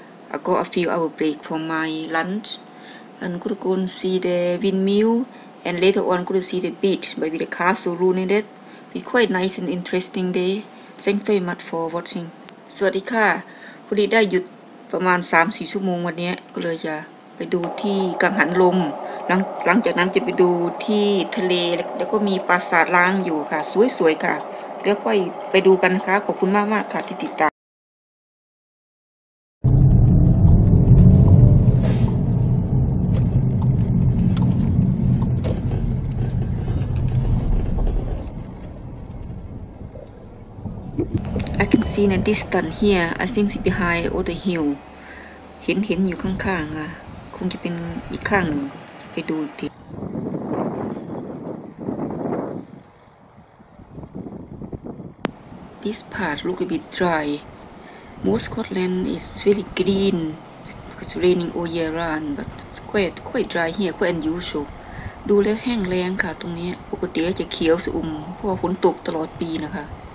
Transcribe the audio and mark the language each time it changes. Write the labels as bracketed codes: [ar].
[en] I got a few hour break from my lunch and could go and see the windmill and later on could see the beach but with the castle ruined it. Be quite nice and interesting day. Thank you very much for watching. [th] สวัสดีค่ะพอดีได้หยุดประมาณ 3-4 ชั่วโมงวันนี้ก็เลยจะไปดูที่กังหันลมหลังจากนั้นจะไปดูที่ทะเลแล้วก็มีปราสาทร้างอยู่ค่ะสวยๆค่ะเดี๋ยวค่อยไปดูกันนะคะขอบคุณมากๆค่ะที่ติดตาม [en] I can see in a distance here I think it's behind all the hill [th] เห็นอยู่ข้างๆค่ะคงจะเป็นอีกข้างหนึ่งไปดูที [en] This part look a bit dry. Most Scotland is really green because it's raining all year round, but quite dry here, quite unusual. [th] ดูแล้วแห้งแล้งค่ะตรงนี้ปกติจะเขียวสุ่มเพราะฝนตกตลอดปีนะคะ